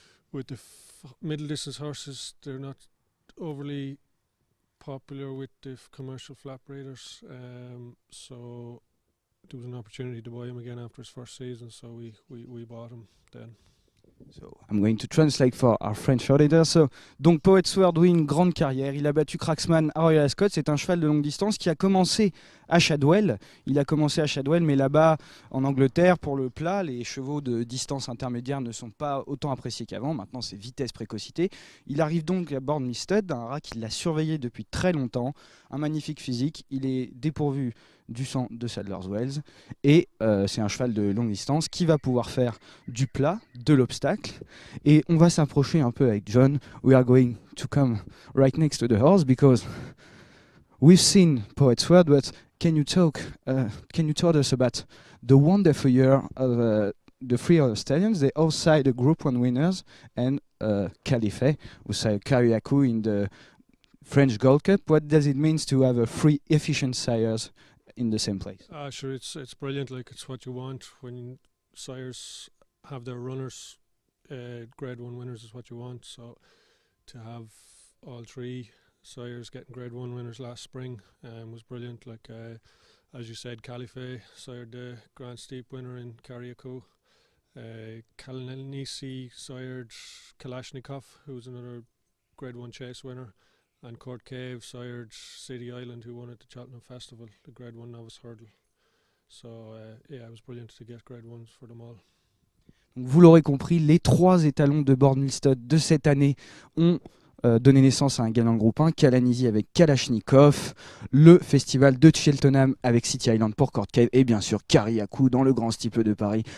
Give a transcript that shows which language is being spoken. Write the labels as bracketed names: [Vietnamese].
[English] With the middle distance horses, they're not overly popular with the commercial flat breeders. So there was an opportunity to buy him again after his first season, so we bought him then. So I'm going to translate for our French auditor. [French] So, donc Poet's World a une grande carrière. Il a battu Cracksman à Royal Ascot. C'est un cheval de longue distance qui a commencé à Shadwell. Il a commencé à Shadwell, mais là-bas, en Angleterre, pour le plat, les chevaux de distance intermédiaire ne sont pas autant appréciés qu'avant. Maintenant, c'est vitesse, précocité. Il arrive donc à Boardsmill Stud, un rat qui l'a surveillé depuis très longtemps. Un magnifique physique. Il est dépourvu du sang de Sadler's Wells. Et c'est un cheval de longue distance qui va pouvoir faire du plat, de l'obstacle. Et on va s'approcher un peu avec John. [English] We are going to come right next to the horse because we've seen Poet's World, but can you tell us about the wonderful year of the three other stallions? They all side the Group 1 winners and Califet, who side Carriacou in the French Gold Cup. What does it mean to have a three efficient sires in the same place? Sure, it's brilliant. Like, it's what you want when sires have their runners. Grade 1 winners is what you want. So to have all three sires getting Grade 1 winners last spring was brilliant. Like, as you said, Califet sired the Grand Steep winner in Carriacou. Kalanisi sired Kalashnikov, who was another Grade 1 chase winner. And Court Cave sired City Island, who won at the Cheltenham Festival, the Grade 1 novice hurdle. So, yeah, it was brilliant to get Grade 1s for them all. [French] Vous l'aurez compris, les trois étalons de Boardsmill Stud de cette année ont donné naissance à un gagnant de groupe 1, Kalanisi avec Kalashnikov, le festival de Cheltenham avec City Island pour Court Cave et bien sûr Carriacou dans le Grand Steeple de Paris.